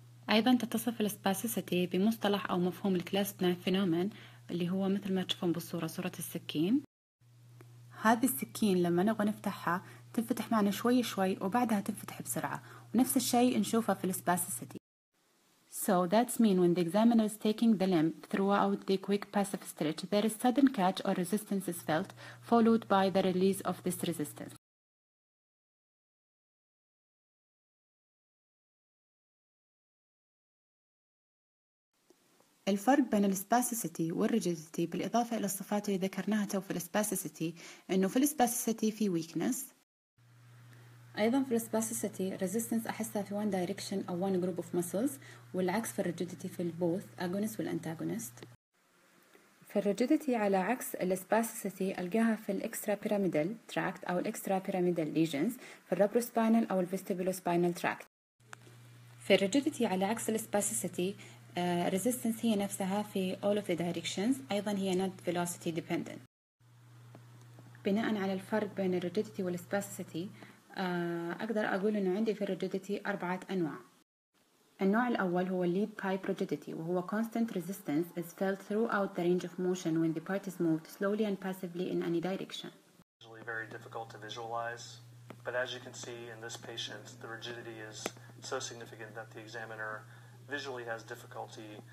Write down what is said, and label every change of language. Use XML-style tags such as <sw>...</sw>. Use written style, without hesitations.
<ar>ايضا تتصف الاسباسيسيتي بمصطلح او مفهوم الكلاسب نايف فينومين، اللي هو مثل ما تشوفون بالصوره، صوره السكين. هذه السكين لما نبغى نفتحها تنفتح معنا شوي شوي، وبعدها تنفتح بسرعه، ونفس الشيء نشوفه في الاسباسيسيتي.</ar> <en>So that's mean when the examiner is taking the limb throughout the quick passive stretch, there is sudden catch or resistance is felt, followed by the release of this resistance.</en> <ar>الفرق بين الاسباسيسيتي والريجيديتي بالإضافة إلى الصفات اللي ذكرناها تو في الاسباسيسيتي، إنه في الاسباسيسيتي في weakness. ايضا في الاسباسيسيتي ريزيستنس احسها في وان دايركشن او وان جروب اوف ماسلز، والعكس في الريجيديتي في البوث اجونست والانتاجونست. في الريجيديتي على عكس الاسباسيسيتي القاها في الاكسترا بيراميدال تراكت او الاكسترا بيراميدال ليجنز، في الربرو سباينال او الفيستيبولو سباينال تراكت. في الريجيديتي على عكس الاسباسيسيتي ريزيستنس هي نفسها في اول اوف ذا دايركشنز، ايضا هي نوت فيلوسيتي ديبندنت. بناء على الفرق بين الريجيديتي والاسباسيسيتي أقدر أقول إنه عندي في الرجيديتي أربعة أنواع. النوع الأول هو</ar> <en>lead pipe rigidity،</en> <ar>وهو</ar> <en>constant resistance is felt throughout the range of motion when the part is moved slowly and passively in any direction. Usually very difficult to visualize, but as you can see in this patient, the rigidity is so significant that the examiner visually has difficulty.</en>